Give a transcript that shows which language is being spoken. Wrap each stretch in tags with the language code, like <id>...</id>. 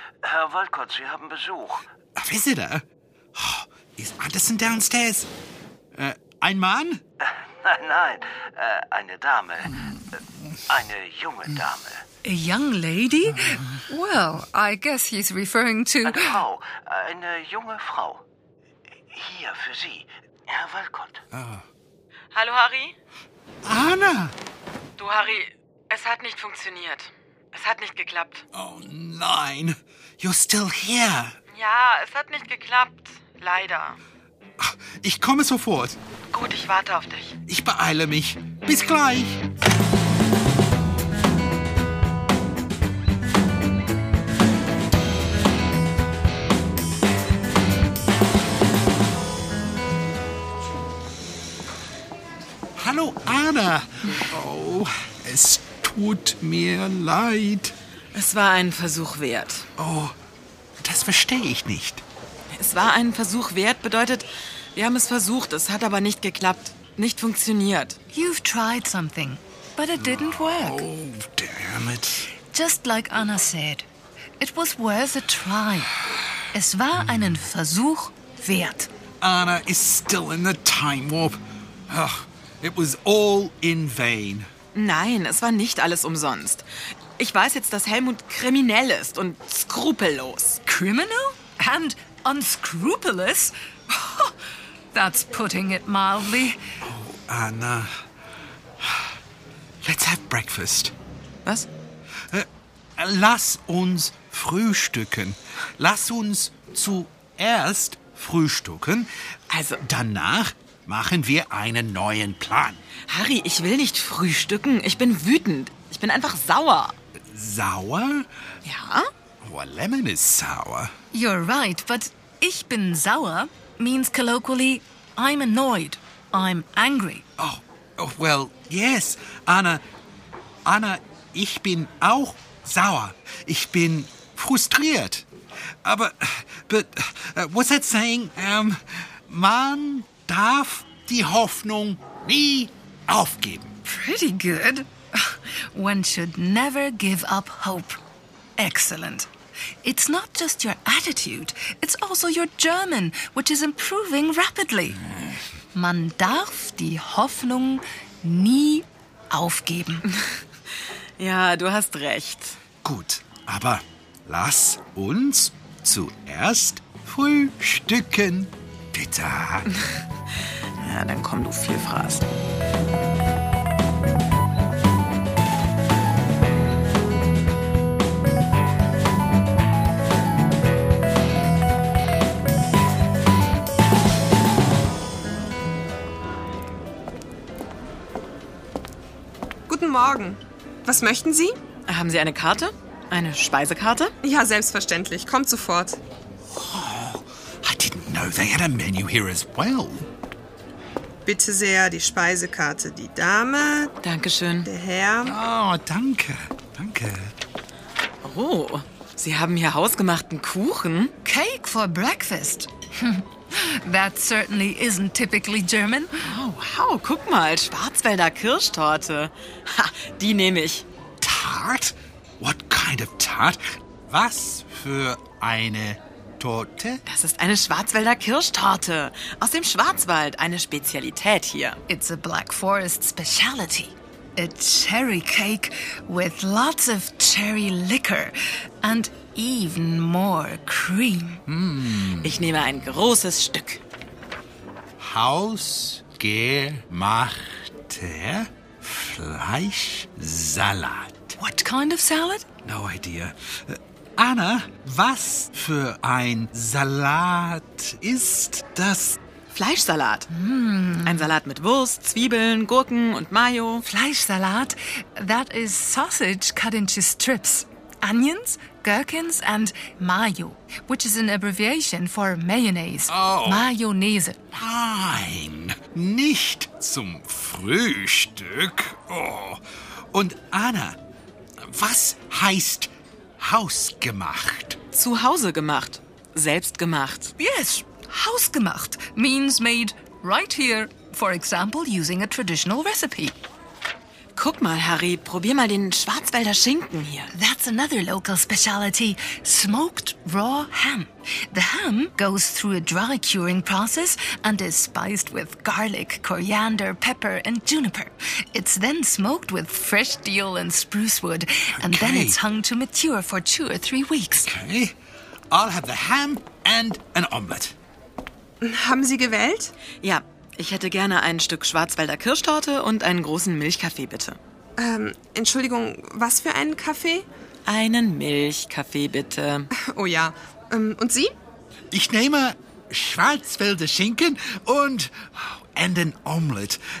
<de>Herr Walcott, Sie haben Besuch.</de> <en>A visitor? Oh, is Anderson downstairs?</en> <de>Ein Mann? Nein, eine Dame. Eine junge Dame.</de> <en>A young lady? Well, I guess he's referring to...</en> <de>Eine Frau. Eine junge Frau. Hier für Sie, Herr Walcott. Oh. Hallo, Harry. Anna! Du, Harry, es hat nicht funktioniert. Es hat nicht geklappt. Oh nein,</de> <en>you're still here.</en> <de>Ja, es hat nicht geklappt, leider. Ich komme sofort. Gut, ich warte auf dich. Ich beeile mich. Bis gleich. Hallo, Anna. Oh, es tut mir leid. Es war einen Versuch wert. Oh, das verstehe ich nicht. Es war einen Versuch wert bedeutet, wir haben es versucht, es hat aber nicht geklappt, nicht funktioniert.</de> <en>You've tried something, but it didn't work. Oh, damn it. Just like Anna said, it was worth a try.</en> <de>Es war einen Versuch wert.</de> <en>Anna is still in the time warp. Oh, it was all in vain.</en> <de>Nein, es war nicht alles umsonst. Ich weiß jetzt, dass Helmut kriminell ist und skrupellos.</de> <en>Criminal? And unscrupulous? That's putting it mildly. Oh, Anna. Let's have breakfast.</en> <de>Was? Lass uns frühstücken. Lass uns zuerst frühstücken. Also, danach machen wir einen neuen Plan. Harry, ich will nicht frühstücken. Ich bin wütend. Ich bin einfach sauer. Sauer? Ja.</de> <en>Well, lemon is sour. You're right, but</en> <de>ich bin sauer</de> <en>means colloquially, I'm annoyed. I'm angry. Oh, well, yes.</en> <de>Anna, ich bin auch sauer. Ich bin frustriert.</de> <en>But what's that saying?</en> <de>Man darf die Hoffnung nie aufgeben.</de> <en>Pretty good. One should never give up hope. Excellent. It's not just your attitude, it's also your German, which is improving rapidly.</en> <de>Man darf die Hoffnung nie aufgeben. Ja, du hast recht. Gut, aber lass uns zuerst frühstücken. Bitte. Ja, dann komm du viel Fraß. Guten Morgen. Was möchten Sie? Haben Sie eine Karte? Eine Speisekarte? Ja, selbstverständlich. Kommt sofort.</de> <en>Oh, I didn't know they had a menu here as well.</en> <de>Bitte sehr, die Speisekarte. Die Dame. Dankeschön. Der Herr. Oh, danke. Danke. Oh, Sie haben hier hausgemachten Kuchen.</de> <en>Cake for breakfast. That certainly isn't typically German.</en> <de>Oh, wow, guck mal, Schwarzwälder Kirschtorte. Ha, die nehme ich.</de> <en>Tart? What kind of tart?</en> <de>Was für eine Torte? Das ist eine Schwarzwälder Kirschtorte. Aus dem Schwarzwald, eine Spezialität hier.</de> <en>It's a Black Forest speciality. a cherry cake with lots of cherry liquor and even more cream. Mm.</en> <de>Ich nehme ein großes Stück. Hausgemachter Fleischsalat.</de> <en>What kind of salad? No idea.</en> <de>Anna, was für ein Salat ist das? Fleischsalat. Ein Salat mit Wurst, Zwiebeln, Gurken und Mayo. Fleischsalat?</de> <en>That is sausage cut into strips. Onions, gherkins and Mayo, which is an abbreviation for mayonnaise. Oh. Mayonnaise.</en> <de>Nein, nicht zum Frühstück. Oh. Und Anna, was heißt hausgemacht? Zu Hause gemacht. Selbst gemacht.</de> <en>Yes, hausgemacht means made right here, for example, using a traditional recipe.</en> <de>Guck mal, Harry, probier mal den Schwarzwälder Schinken hier.</de> <en>That's another local speciality, smoked raw ham. The ham goes through a dry curing process and is spiced with garlic, coriander, pepper and juniper. It's then smoked with fresh deal and spruce wood. And okay. Then it's hung to mature for 2 or 3 weeks. Okay, I'll have the ham and an omelette.</en> <de>Haben Sie gewählt? Ja. Ich hätte gerne ein Stück Schwarzwälder Kirschtorte und einen großen Milchkaffee, bitte. Entschuldigung, was für einen Kaffee? Einen Milchkaffee, bitte. Oh ja. Und Sie? Ich nehme Schwarzwälder Schinken und ein Omelette.</de>